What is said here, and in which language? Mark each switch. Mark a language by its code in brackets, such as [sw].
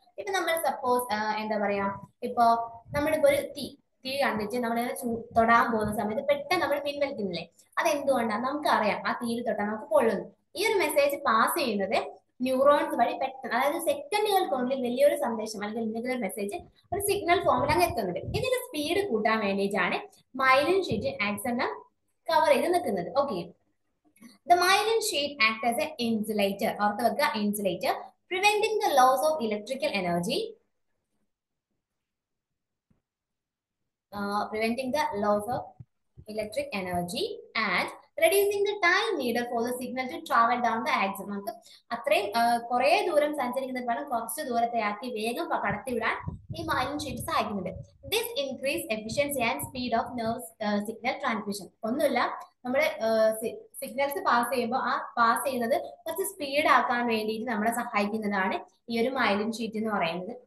[ml] ഇപ്പൊ നമ്മൾ സപ്പോസ് എന്താ പറയാ, ഇപ്പോ നമ്മളിപ്പോ ഒരു തീ കണ്ടിട്ട് നമ്മളിങ്ങനെ തൊടാൻ പോകുന്ന സമയത്ത് പെട്ടെന്ന് നമ്മൾ പിൻവലിക്കുന്നില്ലേ, അത് എന്തുകൊണ്ടാണ്? നമുക്കറിയാം ആ തീയിൽ തൊട്ടാൽ നമുക്ക് പൊള്ളുന്നു. ഈ ഒരു മെസ്സേജ് പാസ് ചെയ്യുന്നത് ന്യൂറോൺസ് വഴി പെട്ടെന്ന്, അതായത് സെക്കൻഡുകൾക്കുള്ളിൽ വലിയൊരു സന്ദേശം അല്ലെങ്കിൽ എന്തെങ്കിലും ഒരു മെസ്സേജ് ഒരു സിഗ്നൽ ഫോമിൽ അങ്ങ് എത്തുന്നുണ്ട്. ഇതിന്റെ സ്പീഡ് കൂട്ടാൻ വേണ്ടിയിട്ടാണ് മൈലിൻ ഷീറ്റ് ആക്സന കവർ ചെയ്ത് നിൽക്കുന്നത്. [en] okay, the myelin sheet act as a insulator, [ml] ഓർത്ത് വെക്കുക, [en] Insulator, preventing the loss of electrical energy, preventing the loss of electric energy and reducing the time needed for the signal to travel down the axon. [ml] നമുക്ക് അത്രയും കുറേ ദൂരം സഞ്ചരിക്കുന്നത് വേണം കുറച്ച് ദൂരത്തെയാക്കി വേഗം കടത്തിവിടാൻ ഈ മൈലിൻ ഷീറ്റ് സഹായിക്കുന്നുണ്ട്. [en] This increase efficiency and speed of nerves signal transmission. [ml] ഒന്നുമില്ല, നമ്മുടെ സിഗ്നൽസ് പാസ് ചെയ്യുമ്പോൾ ആ പാസ് ചെയ്യുന്നത് കുറച്ച് സ്പീഡാക്കാൻ വേണ്ടിയിട്ട് നമ്മളെ സഹായിക്കുന്നതാണ് ഈ ഒരു മൈലിൻ ഷീറ്റ് എന്ന് പറയുന്നത്.